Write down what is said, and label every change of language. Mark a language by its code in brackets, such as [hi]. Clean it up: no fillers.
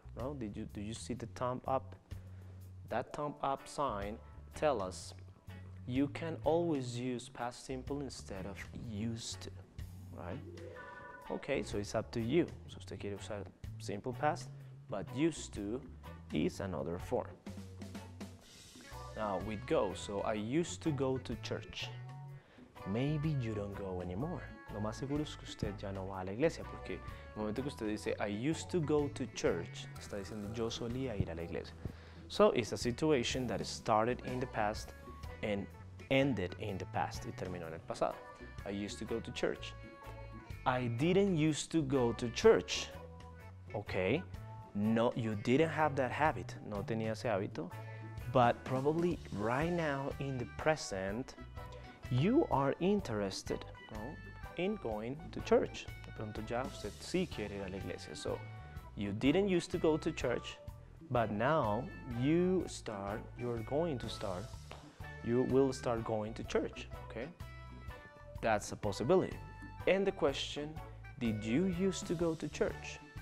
[en] No? Do you see the thumb up? That thumb up sign tells us you can always use past simple instead of used to. Right? Okay, so it's up to you. So [es] usted quiere usar [en] simple past, but used to is another form. Now with go, so I used to go to church. Maybe you don't go anymore. [es] Lo más seguro es que usted ya no va a la iglesia, porque en el momento que usted dice [en] I used to go to church, [es] está diciendo yo solía ir a la iglesia. [en] So it's a situation that started in the past and ended in the past. [es] Y terminó en el pasado. [en] I used to go to church. I didn't used to go to church. Okay. No, you didn't have that habit. [es] No tenía ese hábito. [en] But probably right now in the present, you are interested, no, in going to church. [es] De pronto ya usted sí quiere ir a la iglesia. [en] So you didn't used to go to church, but now you will start going to church. Okay, that's a possibility. And the question, did you used to go to church?